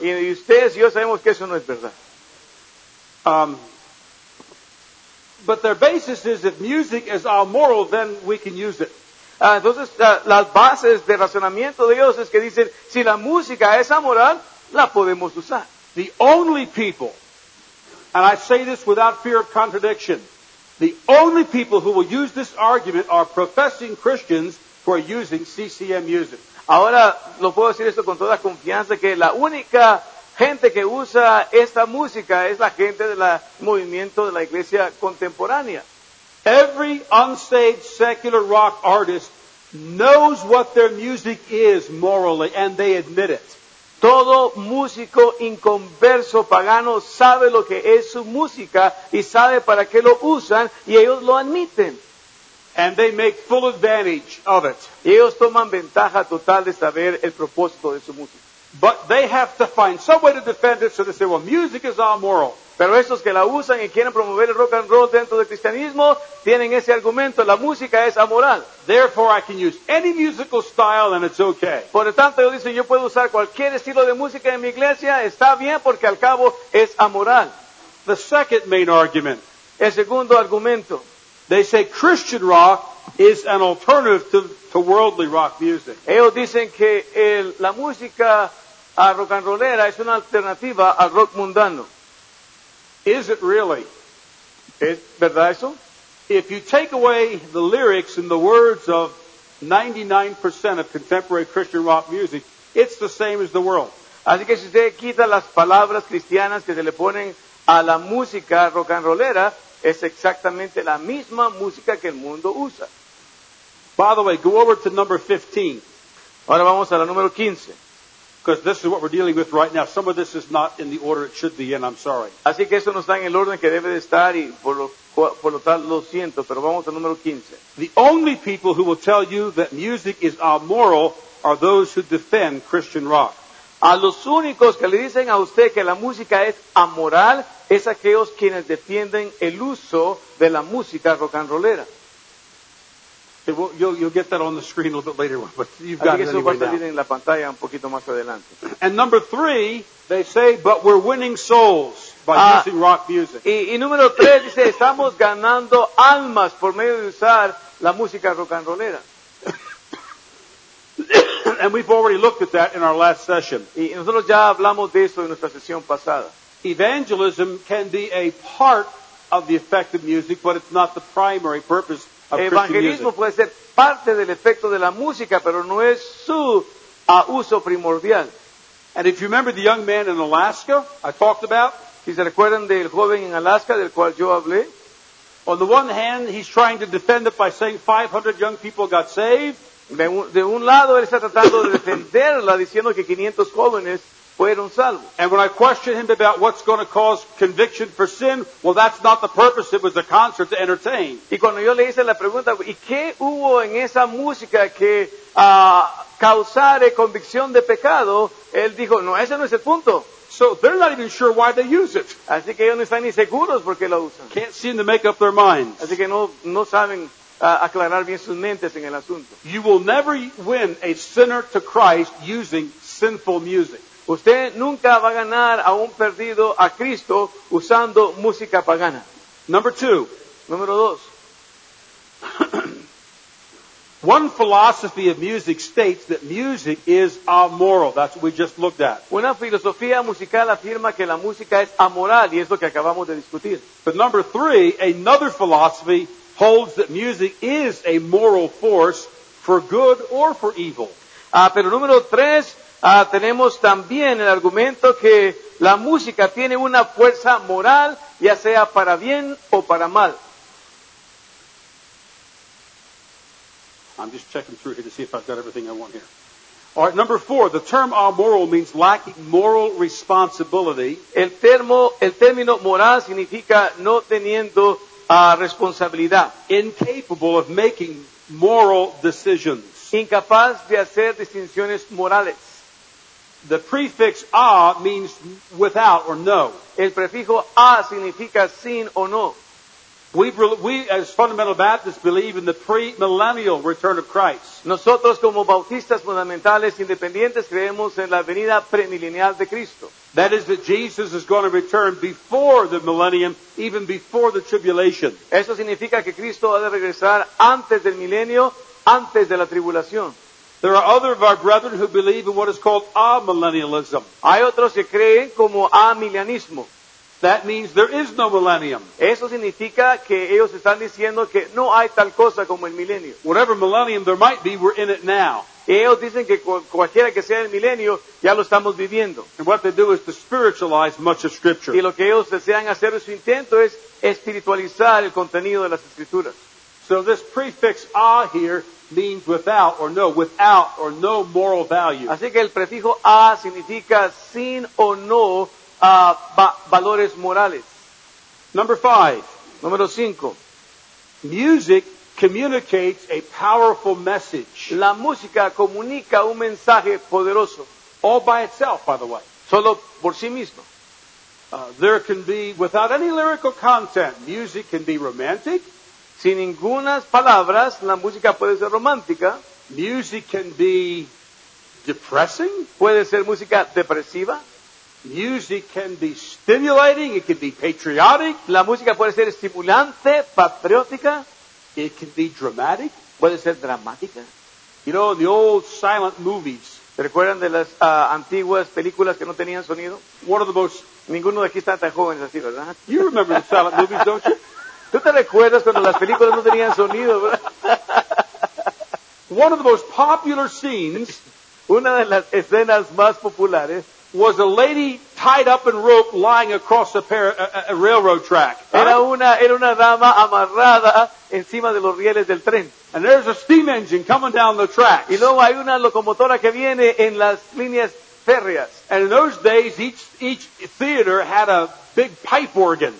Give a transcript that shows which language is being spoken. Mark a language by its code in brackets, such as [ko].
[es] Y ustedes y yo sabemos que eso no es verdad. [en] But their basis is if music is amoral, then we can use it. [es] Entonces, las bases de razonamiento de ellos es que dicen, si la música es amoral, la podemos usar. [en] The only people, and I say this without fear of contradiction, the only people who will use this argument are professing Christians who are using CCM music. [es] Ahora, lo puedo decir esto con toda confianza, que la única gente que usa esta música es la gente del movimiento de la iglesia contemporánea. [en] Every unsaved secular rock artist knows what their music is morally, and they admit it. [es] Todo músico inconverso pagano sabe lo que es su música y sabe para qué lo usan y ellos lo admiten. [en] And they make full advantage of it. [es] Y ellos toman ventaja total de saber el propósito de su música. [en] But they have to find some way to defend it, so they say, well, music is amoral. [es] Pero estos que la usan y quieren promover el rock and roll dentro del cristianismo tienen ese argumento, la música es amoral. [en] Therefore, I can use any musical style and it's okay. [es] Por lo tanto, ellos dicen, yo puedo usar cualquier estilo de música en mi iglesia, está bien porque al cabo es amoral. [en] The second main argument. [es] El segundo argumento. [en] They say Christian rock is an alternative to worldly rock music. [es] Ellos dicen que la música rock and rollera es una alternativa al rock mundano. [en] Is it really? [es] ¿Es verdad eso? [en] If you take away the lyrics and the words of 99% of contemporary Christian rock music, it's the same as the world. [es] Así que si usted quita las palabras cristianas que se le ponen a la música rock and rollera, es exactamente la misma música que el mundo usa. [en] By the way, go over to number 15. [es] Ahora vamos a la número 15. [en] Because this is what we're dealing with right now. Some of this is not in the order it should be in, I'm sorry. [es] Así que eso no está en el orden que debe de estar y por lo tal lo siento, pero vamos al número 15. [en] The only people who will tell you that music is immoral are those who defend Christian rock. [es] A los únicos que le dicen a usted que la música es amoral es aquellos quienes defienden el uso de la música rock and rollera. [en] Okay, well, you'll get that on the screen a little bit later, but you've got it anyway now. [es] Así que eso va a salir en la pantalla un poquito más adelante. [en] And number three, they say, but we're winning souls by using rock music. [es] Y número tres dice, estamos ganando almas por medio de usar la música rock and rollera. [en] And we've already looked at that in our last session. [es] Y nosotros ya hablamos de eso en nuestra sesión pasada. [en] Evangelism can be a part of the effect of music, but it's not the primary purpose of Christian music. [es] Evangelismo puede ser parte del efecto de la música, pero no es su uso primordial. [en] And if you remember the young man in Alaska I talked about, [es] si se recuerdan del joven en Alaska del cual yo hablé, [en] on the one hand, he's trying to defend it by saying 500 young people got saved. [es] De un lado, él está tratando de defenderla diciendo que 500 jóvenes fueron salvos. [en] And when I question him about what's going to cause conviction for sin, well, that's not the purpose. It was a concert to entertain. [es] Y cuando yo le hice la pregunta, ¿y qué hubo en esa música que causara convicción de pecado? Él dijo, no, ese no es el punto. [en] So they're not even sure why they use it. [es] Así que ellos no están ni seguros por qué lo usan. [en] Can't seem to make up their minds. [es] Así que no saben aclarar bien sus mentes en el asunto. [en] You will never win a sinner to Christ using sinful music. [es] Usted nunca va a ganar a un perdido a Cristo usando música pagana. [en] Number two. [es] Número dos. [en] One philosophy of music states that music is amoral. That's what we just looked at. [es] Una filosofía musical afirma que la música es amoral, y es lo que acabamos de discutir. [en] But number three, another philosophy holds that music is a moral force for good or for evil. [es] Pero número tres, tenemos también el argumento que la música tiene una fuerza moral, ya sea para bien o para mal. [en] I'm just checking through here to see if I've got everything I want here. All right, number four, the term amoral means lacking moral responsibility. [es] El término moral significa no teniendo responsabilidad. [en] Incapable of making moral decisions. [es] Incapaz de hacer distinciones morales. [en] The prefix a means without or no. [es] El prefijo a significa sin o no. [en] We as fundamental Baptists believe in the premillennial return of Christ. [es] Nosotros como bautistas fundamentales independientes creemos en la venida premilenial de Cristo. [en] That is that Jesus is going to return before the millennium, even before the tribulation. [es] Eso significa que Cristo ha de regresar antes del milenio, antes de la tribulación. [en] There are other of our brethren who believe in what is called amillennialism. [es] Hay otros que creen como amilianismo. [en] That means there is no millennium. [es] Eso significa que ellos están diciendo que no hay tal cosa como el milenio. [en] Whatever millennium there might be, we're in it now. [es] Y ellos dicen que cualquiera que sea el milenio, ya lo estamos viviendo. [en] And what they do is to spiritualize much of Scripture. [es] Y lo que ellos desean hacer en su intento es espiritualizar el contenido de las Escrituras. [en] So this prefix a here means without or no moral value. [es] Así que el prefijo a significa sin o no valores morales. [en] Number five. [es] Número cinco. [en] Music communicates a powerful message. [es] La música comunica un mensaje poderoso. [en] All by itself, by the way. [es] Solo por sí mismo. [en] There can be, without any lyrical content, music can be romantic. [es] Sin ninguna palabra, la música puede ser romántica. [en] Music can be depressing. [es] Puede ser música depresiva. [en] Music can be stimulating, it can be patriotic. [es] La música puede ser estimulante, patriótica. [en] It can be dramatic. [es] Puede ser dramática. [en] You know, the old silent movies. [es] ¿Te recuerdan de las antiguas películas que no tenían sonido? [en] One of the most... [es] Ninguno de aquí está tan joven así, ¿verdad? [en] You remember the silent movies, don't you? [es] ¿Tú te recuerdas cuando las películas no tenían sonido? [en] One of the most popular scenes, [es] una de las escenas más populares, [en] was a lady tied up in rope lying across a railroad track. [es] Era una dama amarrada encima de los rieles del tren. [en] And there's a steam engine coming down the track. [es] Y luego hay una locomotora que viene en las líneas férreas. [en] And in those days, each theater had a big pipe organ.